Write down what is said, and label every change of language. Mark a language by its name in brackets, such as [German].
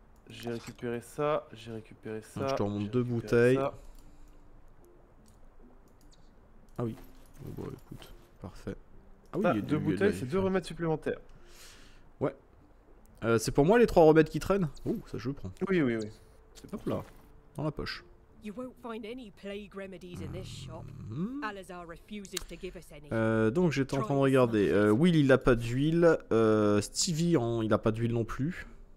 [French] J'ai récupéré ça, j'ai récupéré ça. Donc je te remonte deux bouteilles. Ça. Ah oui. Oh, bon écoute, parfait. Ah oui, ça, il y a deux bouteilles, c'est deux remèdes supplémentaires. Ouais. C'est pour moi les trois remèdes qui traînent. Ouh, ça je le prends. Oui, oui, oui. C'est pas pour là. Dans la poche. [English] You won't find any plague remedies in this shop. Alazar refuses to give us any. [French] Donc j'étais en train de regarder. Will il a pas d'huile. Stevie en... il a pas d'huile non plus.